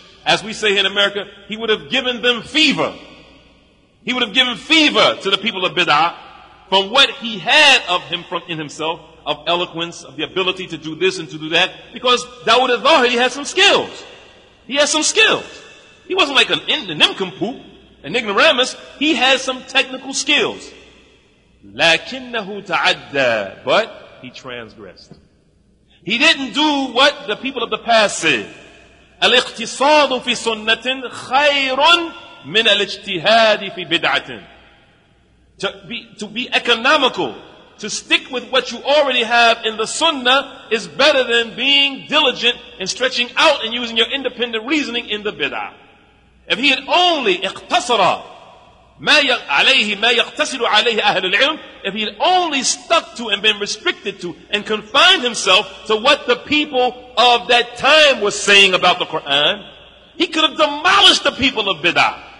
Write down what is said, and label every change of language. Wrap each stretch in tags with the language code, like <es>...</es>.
<en>As we say in America, he would have given them fever. He would have given fever to the people of Bid'ah from what he had of him from in himself, of eloquence, of the ability to do this and to do that, because Dawood al-Zahiri had some skills. He had some skills. He wasn't like a nimcompoop, an ignoramus. He had some technical skills.</en> <ar>لَكِنَّهُ تَعَدَّى,</ar> <en>but he transgressed. He didn't do what the people of the past said.</en> <ar>الْإِقْتِصَادُ فِي سُنَّةٍ خَيْرٌ من الاجتهاد في بدعة.</ar> <en>To be economical, to stick with what you already have in the sunnah is better than being diligent and stretching out and using your independent reasoning in the bid'ah. If he had only</en> <ar>اقتصر ما عليه ما يقتصر عليه أهل العلم,</ar> <en>if he had only stuck to and been restricted to and confined himself to what the people of that time were saying about the Quran, he could have demolished the people of bid'ah.</en>